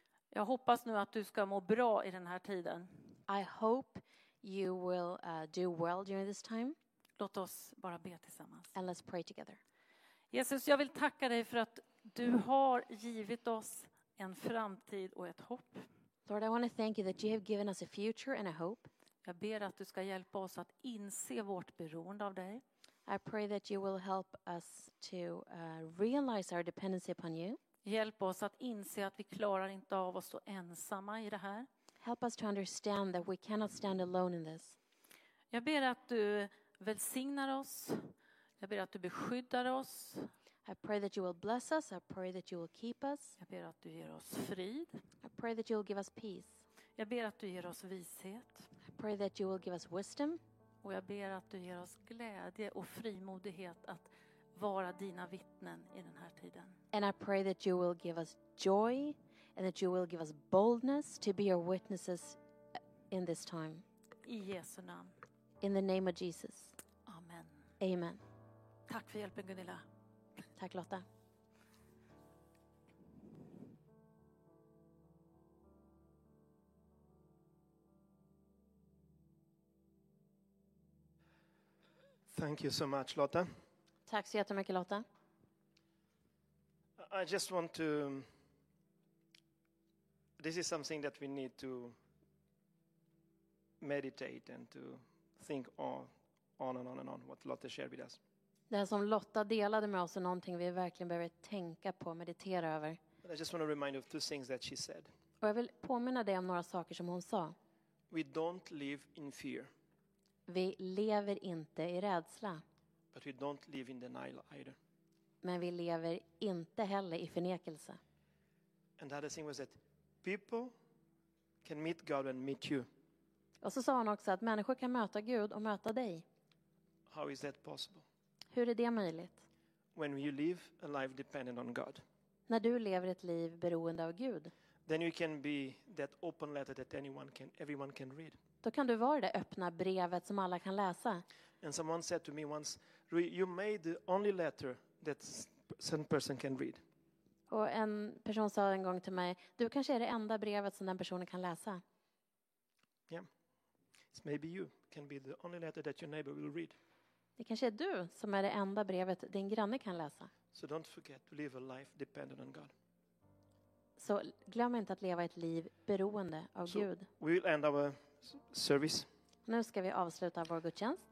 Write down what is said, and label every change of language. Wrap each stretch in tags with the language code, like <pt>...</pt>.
<sv>Jag hoppas nu att du ska må bra i den här tiden.</sv> <en>I hope you will do well during this time.</en> <sv>Låt oss bara be tillsammans.</sv> <en>And let's pray together.</en> <sv>Jesus, jag vill tacka dig för att du har givit oss en framtid och ett hopp.</sv> <en>Lord, I want to thank you that you have given us a future and a hope.</en> <sv>Jag ber att du ska hjälpa oss att inse vårt beroende av dig.</sv> <en>I pray that you will help us to realize our dependency upon you.</en> <sv>Hjälp oss att inse att vi klarar inte av att stå ensamma i det här.</sv> <en>Help us to understand that we cannot stand alone in this.</en> <sv>Jag ber att du välsignar oss. Jag ber att du beskyddar oss.</sv> <en>I pray that you will bless us. I pray that you will keep us.</en> <sv>Jag ber att du ger oss frid.</sv> <en>I pray that you will give us peace.</en> <sv>Jag ber att du ger oss vishet.</sv> <en>I pray that you will give us wisdom.</en> <sv>Och jag ber att du ger oss glädje och frimodighet att vara dina vittnen i den här tiden.</sv> <en>And I pray that you will give us joy and that you will give us boldness to be your witnesses in this time.</en> <sv>I Jesu namn.</sv> <en>In the name of Jesus.</en> <sv>Amen.</sv> <en>Amen.</en> <sv>Tack för hjälpen Gunilla. Tack Lotta.</sv> <en>Thank you so much, Lotta.</en> <sv>Tack så jättemycket, Lotta.</sv> <en>I just want to... This is something that we need to meditate and to think on and on and on, what Lotta shared with us.</en> <sv>Det som Lotta delade med oss är någonting vi verkligen behöver tänka på och meditera över.</sv> <en>But I just want to remind you of two things that she said.</en> <sv>Och jag vill påminna dig om några saker som hon sa.</sv> <en>We don't live in fear.</en> <sv>Vi lever inte i rädsla.</sv> <en>But we don't live in denial either.</en> <sv>Men vi lever inte heller i förnekelse.</sv> <en>And the other thing was that people can meet God and meet you.</en> <sv>Och så sa hon också att människor kan möta Gud och möta dig.</sv> <en>How is that possible?</en> <sv>Hur är det möjligt?</sv> <en>When you live a life dependent on God.</en> <sv>När du lever ett liv beroende av Gud.</sv> <en>Then you can be that open letter that anyone can, everyone can read.</en> <sv>Då kan du vara det öppna brevet som alla kan läsa.</sv> <en>And someone said to me once, you made the only letter that some person can read.</en> <sv>Och en person sa en gång till mig, du kanske är det enda brevet som den personen kan läsa.</sv> <en>Yeah. It's maybe you can be the only letter that your neighbor will read.</en> <sv>Det kanske är du som är det enda brevet din granne kan läsa.</sv> <en>So don't forget to live a life dependent on God.</en> <sv>Så glöm inte att leva ett liv beroende av Gud.</sv> <en>We will end our service.</en> <sv>Nu ska vi avsluta vår gudstjänst.</sv>